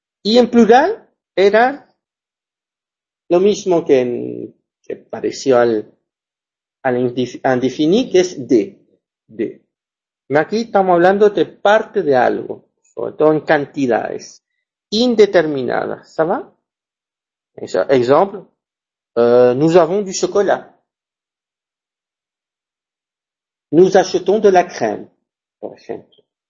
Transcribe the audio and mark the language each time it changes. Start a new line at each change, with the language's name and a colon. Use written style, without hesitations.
Spanish: Y en plural, era lo mismo que pareció al indefinido, que es de. Aquí estamos hablando de parte de algo, sobre todo en cantidades indeterminadas, ¿está bien? Ejemplo,
French: nous avons du chocolat. Nous achetons de la crème,
Spanish: por ejemplo.